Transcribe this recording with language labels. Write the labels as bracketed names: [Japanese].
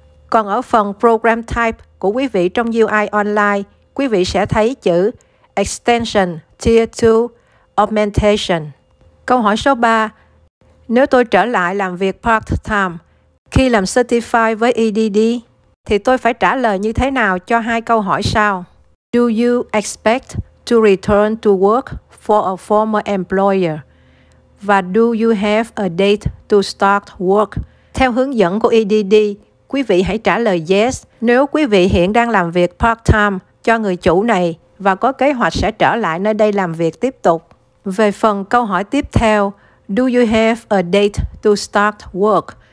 [Vietnamese] Còn ở phần Program Type của quý vị trong UI Online, quý vị sẽ thấy chữ Extension Tier 2 Augmentation. Câu hỏi số 3. Nếu tôi trở lại làm việc part-time khi làm certified với EDD, thì tôi phải trả lời như thế nào cho hai câu hỏi sau? [English] Do you expect to return to work for a former employer? Và do you have a date to start work? [Vietnamese] Theo hướng dẫn của EDD, quý vị hãy trả lời yes nếu quý vị hiện đang làm việc part-time cho người chủ này và có kế hoạch sẽ trở lại nơi đây làm việc tiếp tục. Về phần câu hỏi tiếp theo, [English] do you have a date to start work?